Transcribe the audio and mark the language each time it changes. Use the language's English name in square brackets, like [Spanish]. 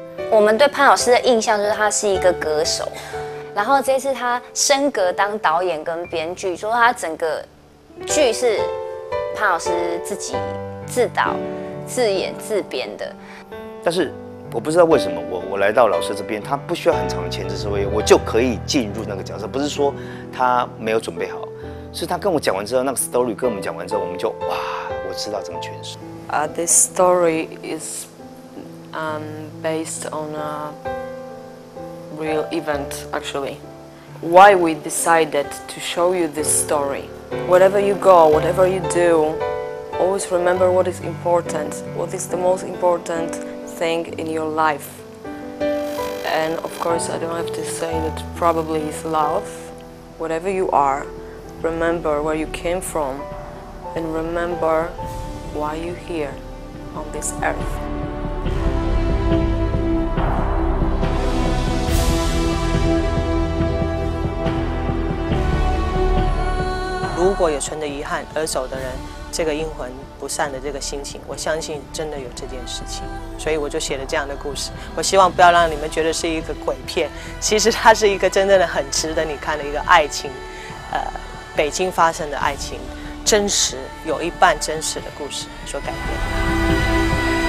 [Chinese] 我们对潘老师的印象就是他是一个歌手，然后这次他升格当导演跟编剧，说他整个剧是潘老师自己自导自演自编的。但是我不知道为什么我来到老师这边，他不需要很长的前置作业，我就可以进入那个角色。不是说他没有准备好，是他跟我讲完之后，那个 story 跟我们讲完之后，我们就哇，我知道怎么诠释。 [English] This story is based on a real event, actually. Why we decided to show you this story? Whatever you go, whatever you do, always remember what is important. What is the most important thing in your life? And of course, I don't have to say that probably is love. Whatever you are. Remember where you came from, and remember why you're here on this earth. If there is any regret for the departed, this spirit of the departed, this feeling, I believe there is this thing. So I wrote this story. I hope not to let you think it's a ghost movie. Actually, it is a really worth watching love story. [Chinese] 北京发生的爱情，真实有一半真实的故事所改变。